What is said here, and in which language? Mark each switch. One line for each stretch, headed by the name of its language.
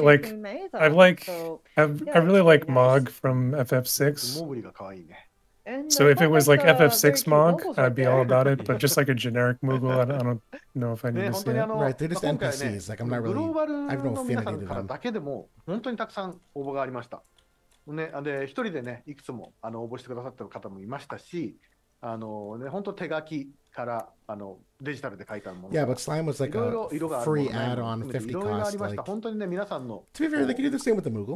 English: Like, I like, I really like Mog from FF6. So if it was like FF6 Mog, I'd be all about it. But just like a generic Moogle, I don't know if I need to see it. Right, they're just NPCs. Like, I'm not really, I have no affinity to them.
Japanese: ね、で一人でね、いくつも応募してくださった方もいましたし、ね、本当手書きからデジタルで書いたもの。
English: Yeah, but Slime was like a free add-on, 50 cost.
Japanese: いろいろありました。本当にね、皆さんの。
English: To be fair, they can do the same with the Moogle.